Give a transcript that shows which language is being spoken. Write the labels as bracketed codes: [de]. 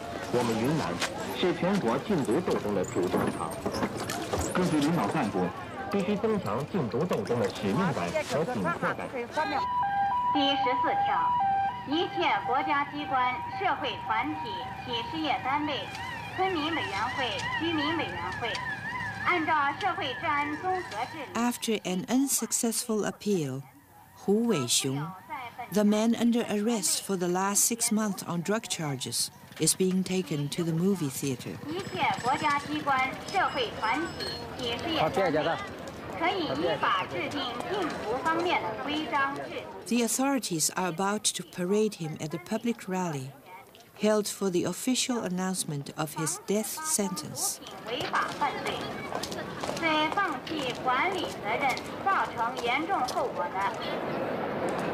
[zh] 我们云南是全国禁毒斗争的主战场，各级领导干部必须增强禁毒斗争的使命感和紧迫感。第十四条，一切国家机关、社会团体、企事业单位、村民委员会、居民委员会，按照社会治安综合治理。 [en] After an unsuccessful appeal, Hu Weixiong, the man under arrest for the last 6 months on drug charges. Is being taken to the movie theater. [zh] 一切国家机关、社会团体、企事业单位，可以依法制定禁毒方面的规章制度。 [en] The authorities are about to parade him at a public rally, held for the official announcement of his death sentence. [zh] 违法犯罪，对放弃管理责任造成严重后果的。